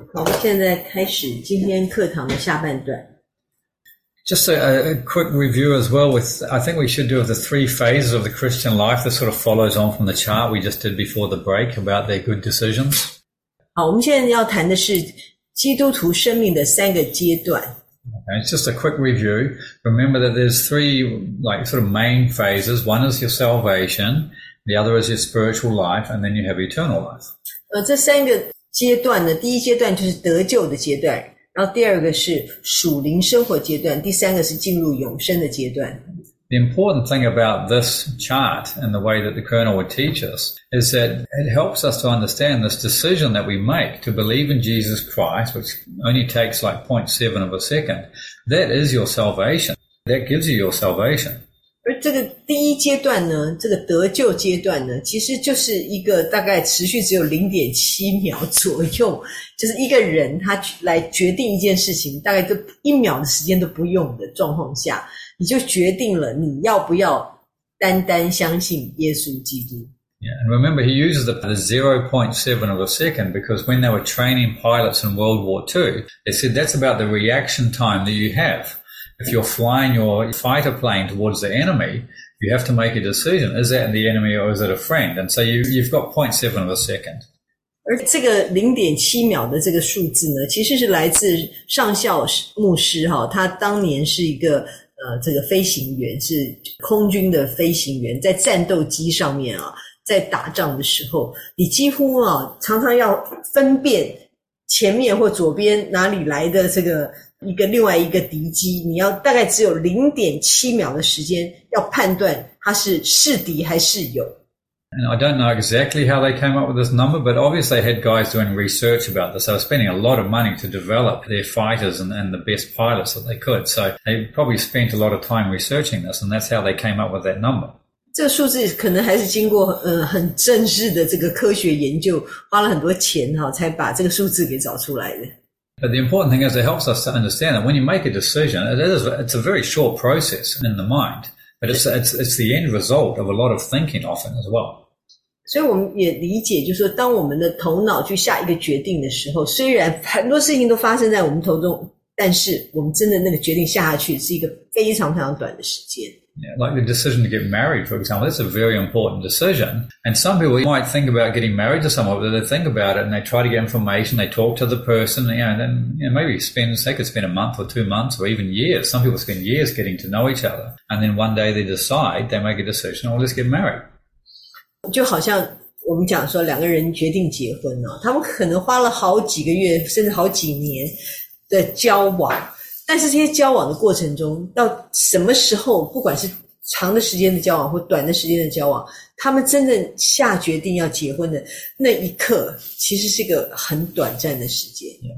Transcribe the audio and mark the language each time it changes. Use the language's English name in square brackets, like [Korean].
[Chinese] 好，我们现在开始今天课堂的下半段。 [English] Just a quick review as well with, I think we should do the three phases of the Christian life. This sort of follows on from the chart we just did before the break about their good decisions. [Chinese] 好，我们现在要谈的是基督徒生命的三个阶段。 [English] And it's just a quick review. Remember that there's three, like, sort of main phases. One is your salvation, the other is your spiritual life, and then you have eternal life. [Chinese] 这三个阶段呢，第一阶段就是得救的阶段，然后第二个是属灵生活阶段，第三个是进入永生的阶段。 [English] The important thing about this chart and the way that the Colonel would teach us is that it helps us to understand this decision that we make to believe in Jesus Christ, which only takes like 0.7 of a second. That is your salvation. That gives you your salvation. [Chinese] 而这个第一阶段呢，这个得救阶段呢，其实就是一个大概持续只有 0.7 秒左右，就是一个人他来决定一件事情，大概就一秒的时间都不用的状况下。你就决定了你要不要单单相信耶稣基督。 [English] Yeah, and remember, he uses the 0.7 of a second because when they were training pilots in World War II, they said that's about the reaction time that you have. If you're flying your fighter plane towards the enemy, you have to make a decision. Is that the enemy or is it a friend? And so you've got 0.7 of a second. [Chinese] 而这个 0.7 秒的这个数字呢，其实是来自上校牧师，他当年是一个这个飞行员，是空军的飞行员，在战斗机上面啊，在打仗的时候，你几乎啊常常要分辨前面或左边哪里来的这个一个另外一个敌机，你要大概只有 0.7 秒的时间要判断它是敌还是友。 [English] And I don't know exactly how they came up with this number, but obviously they had guys doing research about this. They were spending a lot of money to develop their fighters and the best pilots that they could. So they probably spent a lot of time researching this, and that's how they came up with that number. [Chinese] 这个数字可能还是经过很正式的这个科学研究，花了很多钱才把这个数字给找出来的。 [English] But the important thing is it helps us to understand that when you make a decision, it's a very short process in the mind. But it's the end result of a lot of thinking often as well. [Chinese] 所以我们也理解，就是说，当我们的头脑去下一个决定的时候，虽然很多事情都发生在我们头中，但是我们真的那个决定下下去是一个非常非常短的时间。 [English] Yeah, like the decision to get married, for example, that's a very important decision. And some people might think about getting married to someone, but they think about it and they try to get information, they talk to the person, they could spend a month or 2 months or even years. Some people spend years getting to know each other. And then one day they decide, they make a decision, let's get married. [Chinese] 就好像我们讲说两个人决定结婚哦，他们可能花了好几个月，甚至好几年的交往。但是这些交往的过程中，到什么时候，不管是长的时间的交往或短的时间的交往，他们真正下决定要结婚的那一刻，其实是一个很短暂的时间。